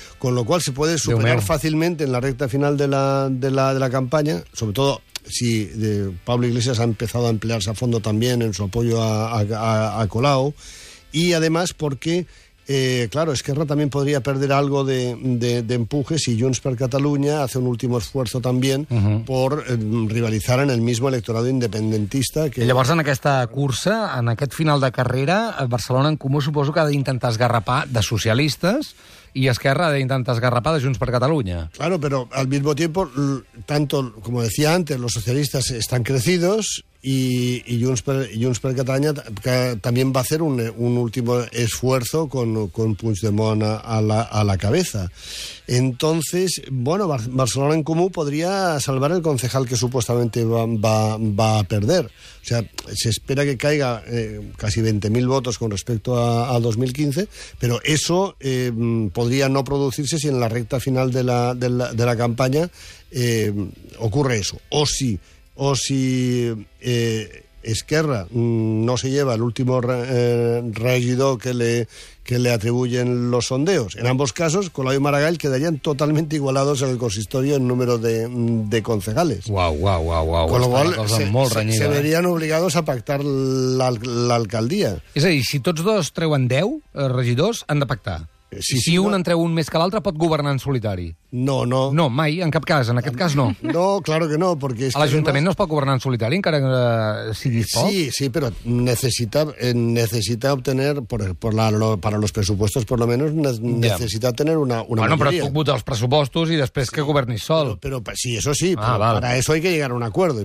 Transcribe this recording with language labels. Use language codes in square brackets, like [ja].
[es] Con lo cual se puede superar fácilmente en la recta final de la campaña, sobre todo si Pablo Iglesias ha empezado a emplearse a fondo también en su apoyo a Colau. Y además porque, claro, Esquerra también podría perder algo de empuje si Junts per Catalunya hace un último esfuerzo también, uh-huh, por rivalizar en el mismo electorado independentista. Que... [ca] Llavors, en aquesta cursa, en aquest final de carrera, Barcelona en Comú suposo que ha d'intentar esgarrapar de socialistes y Esquerra de intentar esgarrapar de Junts per Catalunya. [es] Claro, pero al mismo tiempo, tanto, como decía antes, los socialistas están crecidos y Junts per Catalunya también va a hacer un último esfuerzo con Puigdemont a la cabeza. Entonces, bueno, Barcelona en Comú podría salvar el concejal que supuestamente va a perder. O sea, se espera que caiga casi 20.000 votos con respecto a 2015, pero eso podría no producirse si en la recta final de la campaña ocurre eso. O si Esquerra no se lleva el último regidor que le atribuyen los sondeos. En ambos casos, Colau y Maragall quedarían totalmente igualados en el consistorio en número de concejales. Guau. Con lo cual, se verían obligados a pactar la alcaldía. [ca] És a dir, si tots dos treuen 10 regidors, han de pactar. Sí, un entre un més que l'altre pot governar en solitari. No. No, mai, en cap cas, en aquest cas no. [es] No, claro que no, porque... [ca] A l'Ajuntament no es pot governar en solitari, encara que sigui poc. Sí, però necessita [es] obtener, para los presupuestos por lo menos, necesita tener una bueno, [ca] majoria. Bueno, però puc votar els pressupostos i després sí, que governis sol. [es] Pero, sí, eso sí, pero para eso hay que llegar a un acuerdo.